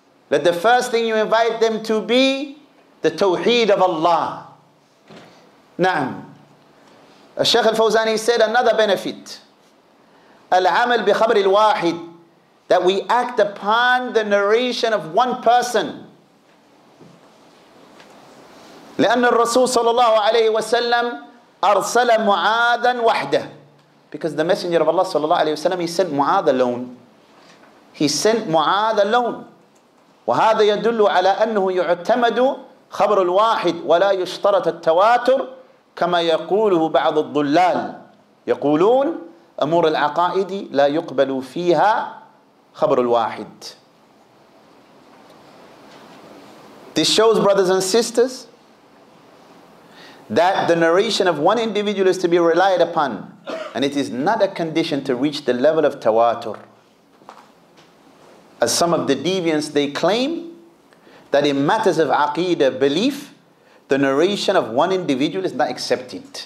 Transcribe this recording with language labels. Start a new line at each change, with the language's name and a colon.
English: That the first thing you invite them to be, the Tawheed of Allah. Na'am. Al-Shaykh al-Fawzani said another benefit. Al-amal bi khabr al-wahid. That we act upon the narration of one person.
Arabic: لأن الرسول صلى الله عليه وسلم أرسل معاذا وحده.
English: Because the messenger of Allah صلى الله عليه وسلم, he sent Muadh alone. He sent Muadh alone.
Arabic: وهذا يدل على أنه يعتمد خبر الواحد ولا يشترط التواتر كما يقوله بعض الضلال. يقولون أمور العقائد لا يقبل فيها خبر الواحد.
English: This shows, brothers and sisters, that the narration of one individual is to be relied upon, and it is not a condition to reach the level of tawatur. As some of the deviants, they claim that in matters of aqidah, belief, the narration of one individual is not accepted.